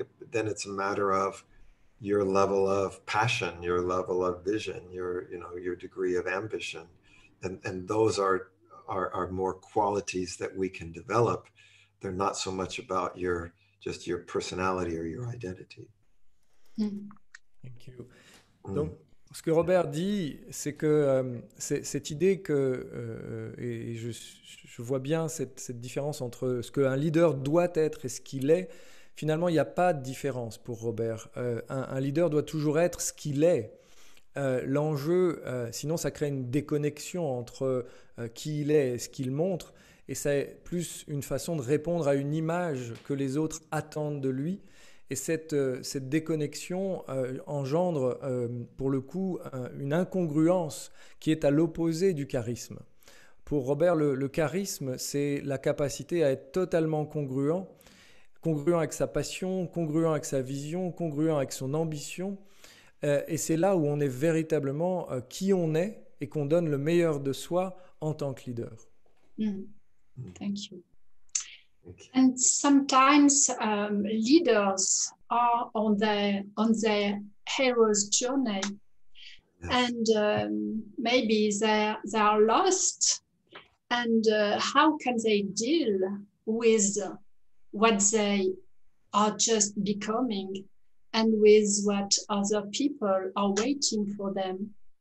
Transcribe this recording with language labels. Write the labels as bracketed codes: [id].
[en] Then it's a matter of your level of passion, your level of vision, your degree of ambition, and those are more qualities that we can develop. They're not so much about your personality or your identity. Thank you. [fr] Donc, ce que Robert dit, c'est que cette idée que, et je vois bien cette différence entre ce qu'un leader doit être et ce qu'il est, finalement, il n'y a pas de différence pour Robert. Un leader doit toujours être ce qu'il est. L'enjeu, sinon ça crée une déconnexion entre qui il est et ce qu'il montre, et c'est plus une façon de répondre à une image que les autres attendent de lui. Et cette déconnexion engendre, pour le coup, une incongruence qui est à l'opposé du charisme. Pour Robert, le charisme, c'est la capacité à être totalement congruent avec sa passion, congruent avec sa vision, congruent avec son ambition. Et c'est là où on est véritablement qui on est et qu'on donne le meilleur de soi en tant que leader. [en] Thank you. And sometimes leaders are on their hero's journey. Yes. And maybe they are lost. And how can they deal with what they are just becoming and with what other people are waiting for them?